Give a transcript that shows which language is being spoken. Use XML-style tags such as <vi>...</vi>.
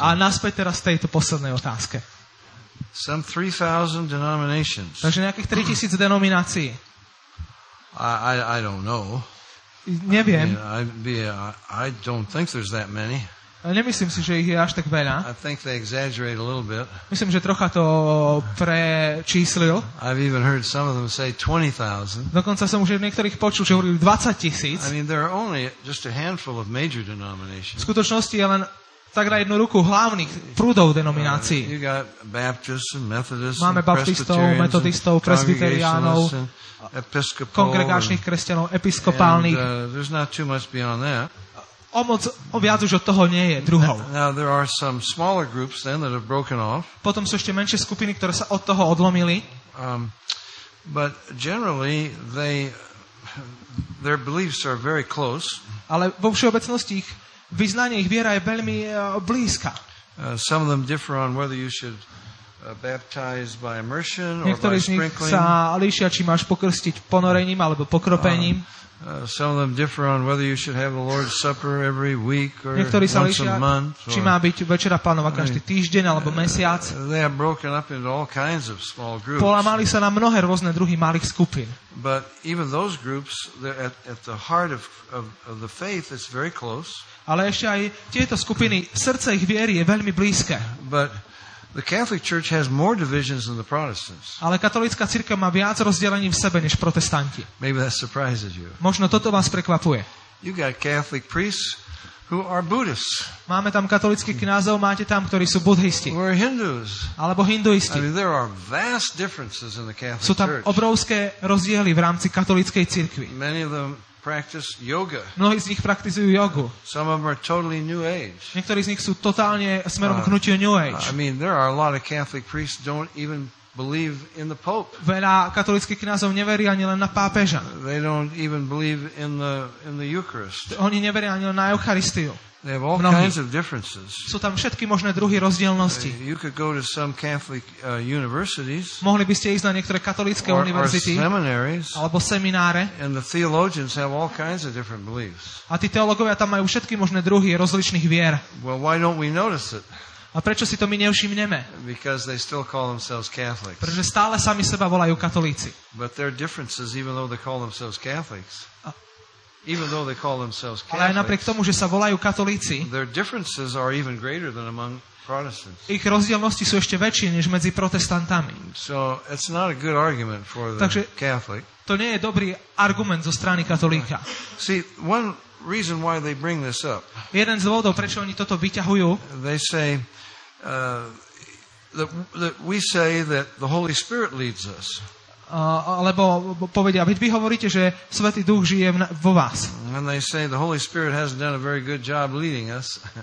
<sk>A naspäť teraz tejto poslednej otázke.</sk> <en>Some 3,000 denominations.</en> <sk>Takže nejakých 3,000 denominácií.</sk> <en>I don't know.</en> <sk>Neviem.</sk> <en>I don't think there's that many.</en> <sk>Nemyslím si, že ich je až tak veľa.</sk> <en>I think they exaggerate a little bit.</en> <sk>Myslím, že trocha to prečíslil.</sk> <en>I've even heard some of them say 20,000.</en> <sk>Dokonca som už v niektorých počul, že hovorili 20,000.</sk> <en>I mean, there are only just a handful of major denominations.</en> <sk>V skutočnosti je len tak na jednu ruku hlavných prúdov denominácií.</sk> <en>You got Baptists and Methodists.</en> <sk>Máme baptistov, metodistov, presbyteriánov, kongregačných kresťanov, episkopálnych.</sk> <en>There's not too much beyond that.</en> <sk>O viac už od toho nie je druhou.</sk> <en>Now there are some smaller groups then that have broken off.</en> <sk>Potom sú ešte menšie skupiny, ktoré sa od toho odlomili.</sk> <en>But generally their beliefs are very close.</en> <sk>Ale vo všeobecnosti ich vyznanie, ich viera je veľmi blízka.</sk> <en>Some of them differ on whether you should baptize by immersion or</en> <sk>niektorí</sk> <en>by sprinkling.</en> <sk>Niektorí sa líšia, či máš pokrstiť ponorením alebo pokropením.</sk> <en>Some of them differ on whether you should have the Lord's Supper every week or</en> <sk>niektorí</sk> <en>once</en> <sk>líšia,</sk> <en>a month. Or,</en> <sk>či má byť večera Pánova každý týždeň alebo mesiac.</sk> <en>They are broken up into all kinds of small groups.</en> <sk>Polamali sa na mnohé rôzne druhy malých skupín.</sk> <en>But even those groups at the heart of the faith is very close.</en> <sk>Ale ešte aj tieto skupiny, srdce ich viery je veľmi blízke.</sk> <en>But the Catholic Church has more divisions than the Protestants.</en> <sk>Ale katolícka cirkev má viac rozdelení v sebe než protestanti.</sk> <en>Maybe that surprises you.</en> <sk>Možno toto vás prekvapuje.</sk> <en>You got Catholic priests who are Buddhists.</en> <sk>Máme tam katolíckych kňazov, máte tam, ktorí sú budhisti.</sk> <en>Or Hindus.</en> <sk>Alebo hinduisti.</sk> <en>I mean, there are vast differences in the Catholic Church.</en> <sk>Sú tam obrovské rozdiely v rámci katolíckej cirkvi.</sk> <en>Many of them practice yoga.</en> <sk>Mnohí z nich praktizujú jogu.</sk> <en>Some of them are totally new age.</en> <sk>Niektorí z nich sú totálne smerom k hnutiu new age.</sk> <en>I mean, there are a lot of Catholic priests don't even believe in the pope.</en> <sk>Veľa katolíckych kňazov neverí ani len na pápeža.</sk> <en>They don't even believe in the Eucharist.</en> <sk>Oni neveria ani len na Eucharistiu.</sk> <en>They have all</en> <sk>Mnohí.</sk> <en>Kinds of differences.</en> <sk>Sú tam všetky možné druhy rozdielnosti.</sk> <en>You could go to some Catholic universities.</en> <sk>Mohli by ste ísť na niektoré katolícke univerzity. Alebo semináre.</sk> <en>And the theologians have all kinds of different beliefs.</en> <sk>A tí teológovia tam majú všetky možné druhy rozličných vier.</sk> <en>Well, why don't we notice it?</en> <sk>A prečo si to my nevšimneme?</sk> <en>Because they still call themselves Catholics.</en> <sk>Pretože stále sami seba volajú katolíci.</sk> <en>But there are differences even though they call themselves Catholics. Even though they call themselves Catholics.</en> <sk>Ale aj napriek tomu, že sa volajú katolíci.</sk> <en>Their differences are even greater than among Protestants.</en> <sk>Ich rozdielnosti sú ešte väčšie než medzi protestantami.</sk> <en>So it's not a good argument for the Catholic.</en> <sk>To nie je dobrý argument zo strany katolíka.</sk> <en>See, one reason why they bring this up.</en> <sk>Jeden z dôvodov, prečo oni toto vyťahujú.</sk> <en>They say that we say that the Holy Spirit leads us.</en> <sk>Alebo povedia, vy hovoríte, že Svätý Duch žije vo vás.</sk> <en>And they say the Holy Spirit hasn't done a very good job leading us.</en>